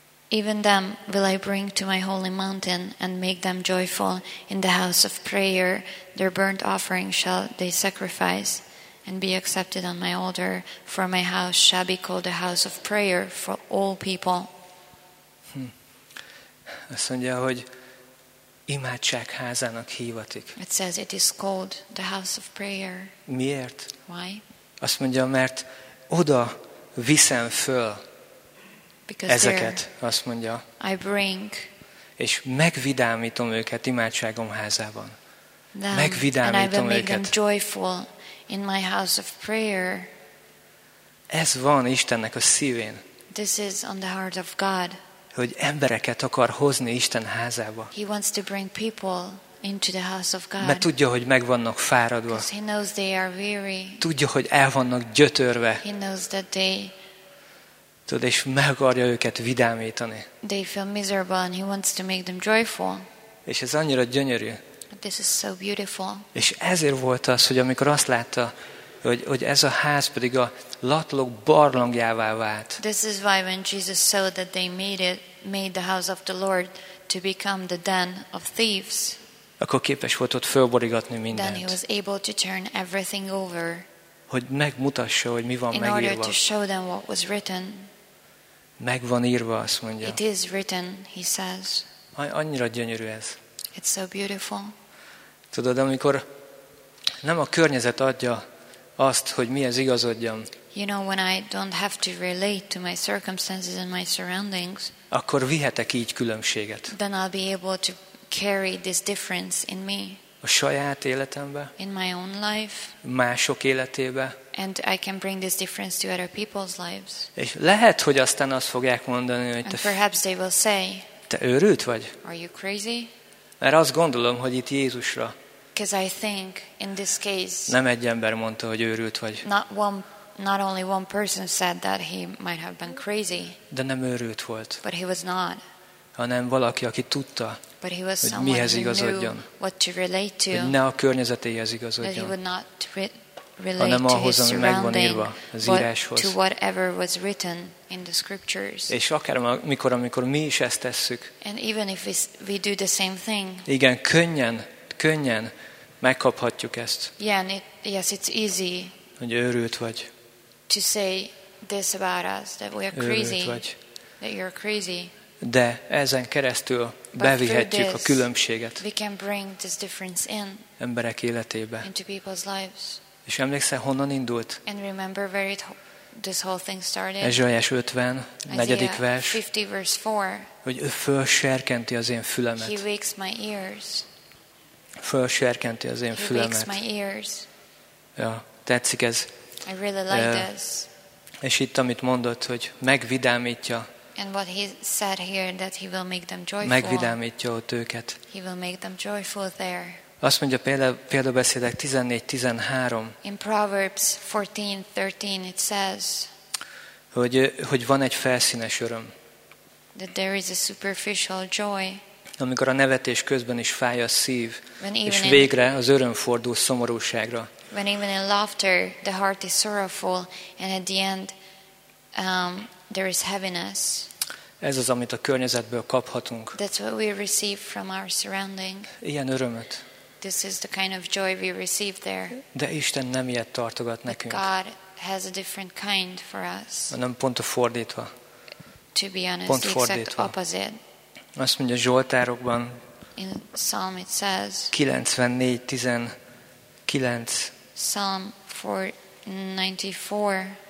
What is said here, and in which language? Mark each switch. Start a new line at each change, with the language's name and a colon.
English: Even them will I bring to my holy mountain and make them joyful in the house of prayer. Their burnt offering shall they sacrifice and be accepted on my altar, for my house shall be called a house of prayer for all people.
Hungarian: Azt mondja, hogy imádság házának hivatik.
English: It says it is called the house of prayer.
Hungarian: Miért?
English: Why?
Hungarian: Azt mondja, mert oda viszem föl ezeket, azt mondja.
English: I bring.
Hungarian: És megvidámítom őket imádságom házában. Megvidámítom
English: and I will make
Hungarian: őket.
English: Them joyful in my house of prayer.
Hungarian: Ez van Istennek a szívén.
English: This is on the heart of God.
Hungarian: hogy embereket akar hozni Isten házába.
English: He wants to bring people into the house of God.
Hungarian: Mert tudja, hogy meg vannak fáradva.
English: He knows they are weary.
Hungarian: Tudja, hogy el vannak gyötörve.
English: He knows that they.
Hungarian: Tud, és meg akarja őket vidámítani.
English: They feel miserable and he wants to make them joyful.
Hungarian: És ez annyira gyönyörű.
English: This is so beautiful.
Hungarian: És ezért volt az, hogy amikor azt látta, hogy ez a ház pedig a latlók barlangjává vált.
English: This is why when Jesus saw that they made the house of the Lord to become the den of thieves.
Hungarian: Akkor képes volt ott fölborigatni mindent.
English: Then he was able to turn everything over.
Hungarian: Hogy megmutassa, hogy mi van megírva.
English: In order to show them what was written.
Hungarian: Meg van írva, azt mondja.
English: It is written, he says.
Hungarian: Annyira gyönyörű ez.
English: It's so beautiful.
Hungarian: Tudod, amikor nem a környezet adja azt, hogy mi ez igazodjon.
English: You know, when I don't have to relate to my circumstances and my surroundings.
Hungarian: Akkor vihetek így különbséget.
English: Then I'll be able to carry this difference in me.
Hungarian: A saját életembe.
English: In my own life.
Hungarian: Mások életébe.
English: And I can bring this difference to other people's lives.
Hungarian: És lehet, hogy aztán azt fogják mondani, hogy
English: te, perhaps they will say,
Hungarian: te őrült vagy.
English: Are you crazy?
Hungarian: Mert azt gondolom, hogy itt Jézusra.
English: Because I think in this case.
Hungarian: Nem egy ember mondta, hogy őrült vagy.
English: Not only one person said that he might have been crazy.
Hungarian: De nem őrült volt.
English: But he was not.
Hungarian: Hanem valaki, aki tudta, hogy mihez igazodjon. Hogy ne a környezetéhez igazodjon.
English: He would not
Hungarian: hanem ahhoz, ami megvan írva az íráshoz.
English: To whatever was written in the scriptures.
Hungarian: És akár amikor mi is ezt tesszük.
English: And even if we do the same thing.
Hungarian: Igen, könnyen megkaphatjuk ezt.
English: Yeah, and it's easy.
Hungarian: Hogy őrült vagy.
English: To say this about us, that we are crazy. That you're crazy.
Hungarian: De ezen keresztül bevihetjük a különbséget.
English: We can bring this difference in.
Hungarian: Emberek életébe.
English: Into people's lives.
Hungarian: És emlékszel, honnan indult?
English: And remember where this whole thing started.
Hungarian: Ezsaiás 50, 4. vers.
English: Isaiah 50 verse 4.
Hungarian: Hogy ő felserkenti az én fülemet.
English: He wakes my ears.
Hungarian: Felserkenti az én fülemet.
English: He wakes my ears.
Hungarian: Ja, tetszik ez.
English: I really like this.
Hungarian: És itt, amit mondott, hogy megvidámítja.
English: And what he said here, that he will make them joyful.
Hungarian: Megvidámítja ott őket.
English: He will make them joyful there.
Hungarian: Azt mondja példabeszédek 14:13.
English: In Proverbs 14:13 it says.
Hungarian: Hogy van egy felszínes öröm.
English: That there is a superficial joy.
Hungarian: Amikor a nevetés közben is fáj a szív, és végre az öröm fordul szomorúságra.
English: When even in laughter the heart is sorrowful and at the end there is heaviness.
Hungarian: Ez az, amit a környezetből kaphatunk.
English: That's what we receive from our surrounding.
Hungarian: Ilyen örömöt.
English: This is the kind of joy we receive there.
Hungarian: De Isten nem ilyet tartogat nekünk.
English: God has a different kind for us.
Hungarian: Hanem pont a fordítva.
English: To be honest,
Hungarian: pont fordítva.
English: Opposite.
Hungarian: Azt mondja Zsoltárokban.
English: In Psalm it says.
Hungarian: 94:19.
English: Psalm 94.